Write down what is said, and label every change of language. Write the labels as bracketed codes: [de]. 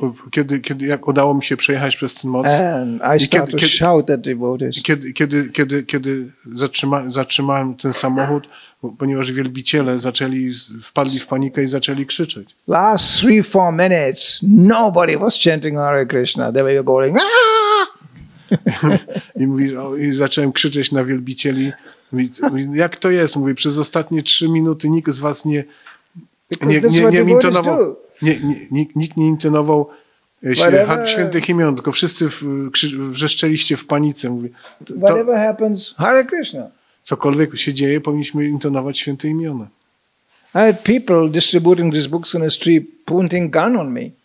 [pl] Kiedy jak udało mi się przejechać przez ten most, [en] and I started to shout at devotees. [pl] Kiedy zatrzymałem ten samochód, ponieważ wielbiciele wpadli w panikę i zaczęli krzyczeć. [en] Last 3-4 minutes, nobody was chanting Hare Krishna. They were going, ah! [pl] I zacząłem krzyczeć na wielbicieli. Mówi, jak to jest? Mówi, przez ostatnie 3 minuty nikt z was nie intonował. Nikt nie intonował świętych imion, tylko wszyscy wrzeszczeliście w panice. Mówi, [en] whatever happens, Hare Krishna. [pl] Cokolwiek się dzieje, powinniśmy intonować święte imiona. [en] I had people distributing these books on the street, pointing gun on me.